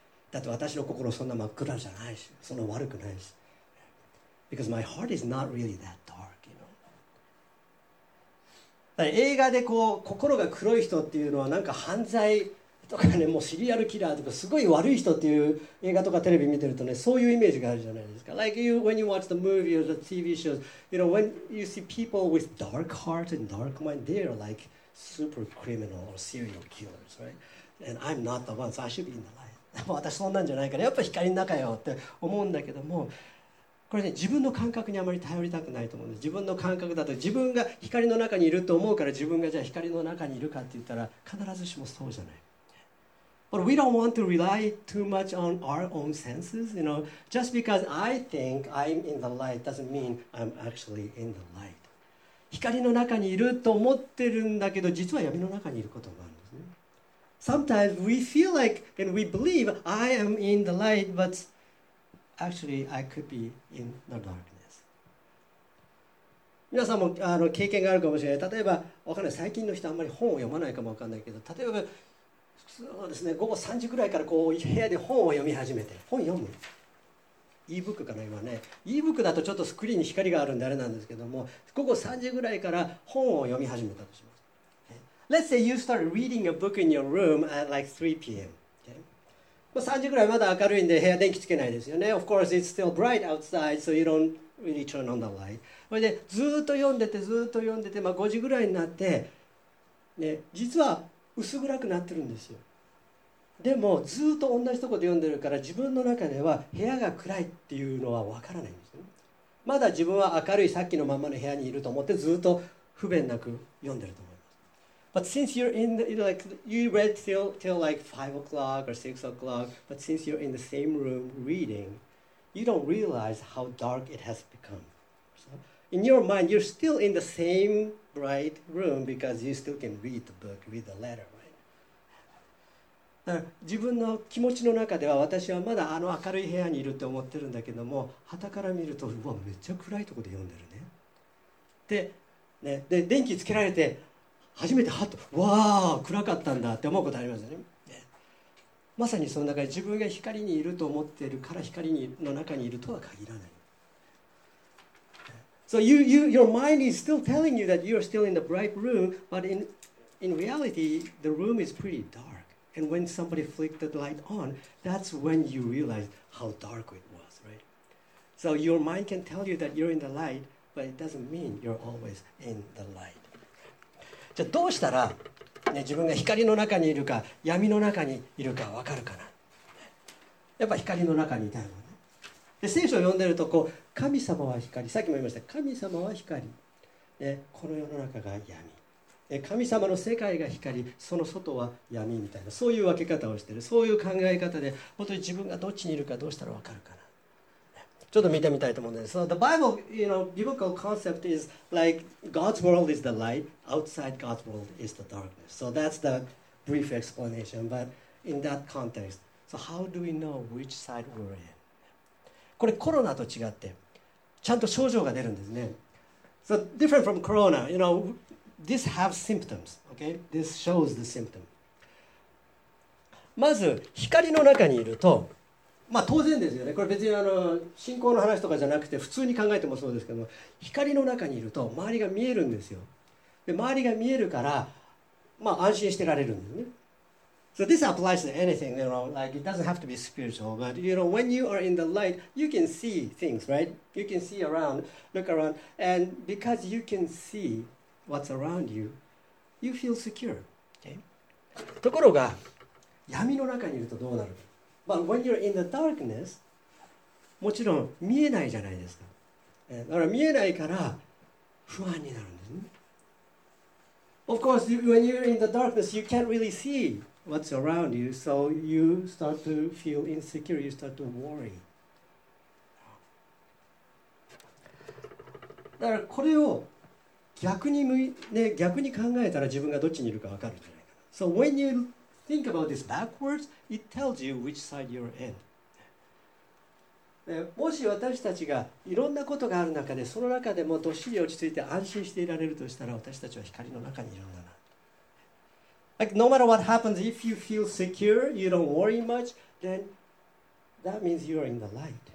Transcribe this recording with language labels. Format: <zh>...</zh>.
<ja>だって私の心そんな真っ暗じゃないし、そんな悪くないし。</ja> <en>Because my heart is not really that dark, you know.</en> <ja>だから映画でこう心が黒い人っていうのはなんか犯罪とかね、もうシリアルキラーとかすごい悪い人っていう映画とかテレビ見てるとね、そういうイメージがあるじゃないですか。</ja> <en>Like you, when you watch the movie or the TV shows, you know, when you see people with dark heart and dark mind, they are like super criminal or serial killers, right? And I'm not the one, so I should be in the light.</en> <ja>私そんなんじゃないから、やっぱ光の中よって思うんだけども、これね、自分の感覚にあまり頼りたくないと思うんです。自分の感覚だと、自分が光の中にいると思うから、自分がじゃあ光の中にいるかって言ったら、必ずしもそうじゃない。</ja> <en>But we don't want to rely too much on our own senses, you know. Just because I think I'm in the light doesn't mean I'm actually in the light.</en> <ja>光の中にいると思ってるんだけど、実は闇の中にいることもある。</ja> <en>Sometimes we feel like and we believe I am in the light, but actually I could be in the darkness.</en> <ja>皆さんもあの経験があるかもしれない。例えば、わかんない。最近の人あんまり本を読まないかもわかんないけど、例えばそうですね、午後3時くらいからこう部屋で本を読み始めて、本読む。 e-book かな今ね。 e-book だとちょっとスクリーンに光があるんであれなんですけども、午後3時くらいから本を読み始めたとします。</ja> <en>Let's say you start reading a book in your room at like 3 p.m.</en> <ja>Okay. 3時ぐらいまだ明るいんで部屋電気つけないですよね。</ja> <en>Of course, it's still bright outside, so you don't really turn on the light.</en> <ja>それでずっと読んでて、ずっと読んでて、まあ、5時ぐらいになって、ね、実は薄暗くなってるんですよ。でもずっと同じとこで読んでるから、自分の中では部屋が暗いっていうのは分からないんですよ。まだ自分は明るいさっきのままの部屋にいると思って、ずっと不便なく読んでると思う。</ja> <en>But since you're in the, you know, like, you read till like 5 o'clock or 6 o'clock, but since you're in the same room reading, you don't realize how dark it has become. So, in your mind, you're still in the same bright room because you still can read the book, read the letter, right?</en> <ja>自分の気持ちの中では私はまだあの明るい部屋にいると思ってるんだけども、旗から見るとうわめっちゃ暗いとこで読んでるね。で、ね、で電気つけられて初めてハッとわー暗かったんだって思うことありますよね。まさにその中で自分が光にいると思っているから光の中にいるとは限らない。</ja> <en>So your mind is still telling you that you are still in the bright room, but in reality, the room is pretty dark. And when somebody flicked the light on, that's when you realize how dark it was, right? So your mind can tell you that you're in the light, but it doesn't mean you're always in the light.</en> <ja>じゃあどうしたら自分が光の中にいるか闇の中にいるか分かるかな。やっぱ光の中にいたいもんね。で聖書を読んでるとこう神様は光、さっきも言いました神様は光、でこの世の中が闇、で神様の世界が光、その外は闇みたいな、そういう分け方をしている、そういう考え方で本当に自分がどっちにいるかどうしたら分かるかな。ちょっと見てみたいと思うんです。 So</ja> <en>the Bible, you know, biblical concept is like God's world is the light, outside God's world is the darkness. So that's the brief explanation, but in that context, so how do we know which side we're in?</en> <ja>これコロナと違ってちゃんと症状が出るんですね。</ja> <en>So different from Corona, you know, this have symptoms, okay? This shows the symptom.</en> <ja>まず光の中にいると、まあ、当然ですよね。これ別にあの信仰の話とかじゃなくて普通に考えてもそうですけども、光の中にいると周りが見えるんですよ。で周りが見えるから、まあ、安心してられるんですね。</ja> <en>So this applies to anything, you know, like it doesn't have to be spiritual, but you know, when you are in the light, you can see things, right? You can see around, look around, and because you can see what's around you, you feel secure. Okay?</en> <ja>ところが闇の中にいるとどうなる。</ja> <en>But when you're in the darkness,</en> <ja>もちろん見えないじゃないですか。だから見えないから不安になるんですね。</ja> <en>Of course, when you're in the darkness, you can't really see what's around you, so you start to feel insecure, you start to worry.</en> <ja>だからこれを逆に考えたら自分がどっちにいるか分かるじゃないかな。</ja> <en>So when youThink about this backwards, it tells you which side you're in.</en> <ja>もし私たちがいろんなことがある中で、その中でもどっしり落ち着いて安心していられるとしたら、私たちは光の中にいるんだな。</ja> <en>Like, no matter what happens, if you feel secure, you don't worry much, then that means you're in the light.</en>